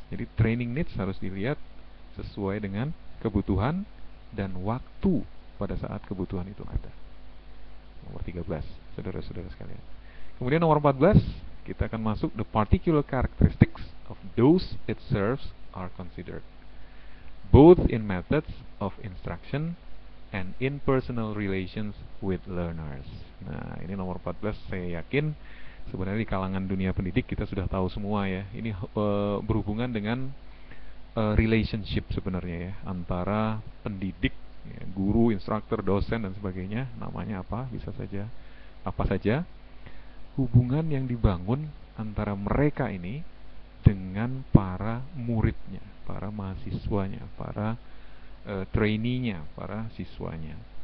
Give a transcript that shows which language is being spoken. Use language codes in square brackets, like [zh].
[id] Jadi training needs harus dilihat sesuai dengan kebutuhan dan waktu pada saat kebutuhan itu ada. Nomor 13, saudara-saudara sekalian. Kemudian nomor 14, kita akan masuk [en] the particular characteristics of those it serves are considered, both in methods of instruction and in personal relations with learners. [id] Nah, ini nomor 14, saya yakin sebenarnya di kalangan dunia pendidik kita sudah tahu semua ya. Ini berhubungan dengan relationship sebenarnya ya, antara pendidik, ya, guru, instruktur, dosen, dan sebagainya, namanya apa, bisa saja apa saja, hubungan yang dibangun antara mereka ini dengan para muridnya, para mahasiswanya, para trainee-nya, para siswanya.